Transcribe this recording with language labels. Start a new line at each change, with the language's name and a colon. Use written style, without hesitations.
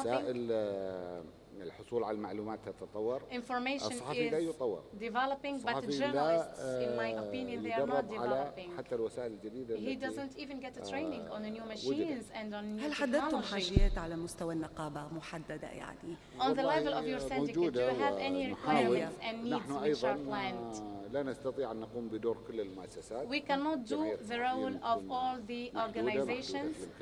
Arabic: وسائل الحصول على المعلومات تتطور.
English: Information
Arabic: الصحفي
English: is
Arabic: لا يطور.
English: Developing, but the journalists, in my opinion, they are not developing.
Arabic: حتى الوسائل الجديدة.
English: He doesn't even get a training on the new machines and on new technology.
Arabic: هل حددتم حاجيات على مستوى النقابة محددة يعني؟
English: On the level of your syndicate, do you have any requirements and needs which are planned?
Arabic: لا نستطيع أن نقوم بدور كل المؤسسات.
English: We cannot do the role of all the organizations.